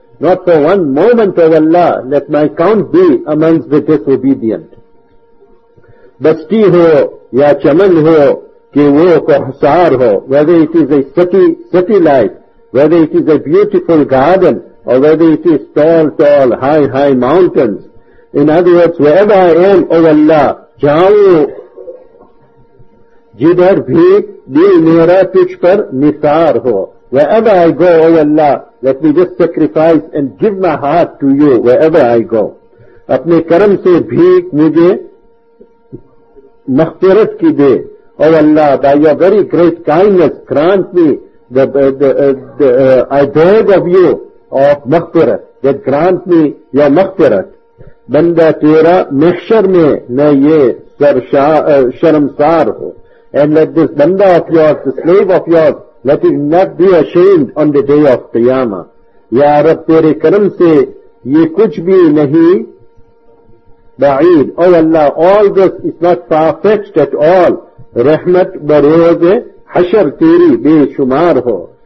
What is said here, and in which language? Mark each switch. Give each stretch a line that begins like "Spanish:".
English: Not for one moment, O Allah, let my count be amongst the disobedient.
Urdu: بستی ہو یا چمن ہو کہ وہ کوہسار ہو,
English: whether it is a city life, whether it is a beautiful garden, or whether it is tall, high mountains. In other words, wherever I am, O Allah,
Urdu: جاؤں جدھر بھی دل میرا تجھ پر نثار ہو.
English: Wherever I go, O Allah, let me just sacrifice and give my heart to you wherever I go.
Urdu: اپنے کرم سے بھیک مجھے مغفرت کی دے.
English: O Allah, by your very great kindness, grant me the I beg of you of مغفرت, that grant me your مغفرت.
Urdu: بندہ تیرا محشر میں میں یہ شرمسار ہو.
English: And let this bandha of yours, the slave of yours, let him not be ashamed on the day of Qiyamah.
Urdu: Ya Rab, tere karam se ye kuch bhi nahi ba'id.
English: Oh Allah, all this is not far-fetched at all.
Urdu: Rahmat baroze hashar tere be shumar ho.